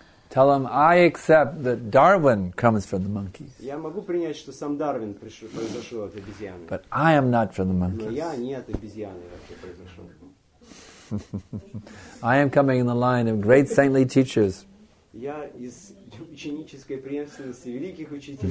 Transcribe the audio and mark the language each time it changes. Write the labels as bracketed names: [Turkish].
[English] Tell them, I accept that Darwin comes from the monkeys. [Russian] Я могу принять, что сам Дарвин произошел от обезьян. [English] But I am not from the monkeys. [Russian] Но я не от обезьяны вообще произошел. [English] I am coming in the line of great saintly teachers. [Russian] Я из ученической преемственности великих учителей.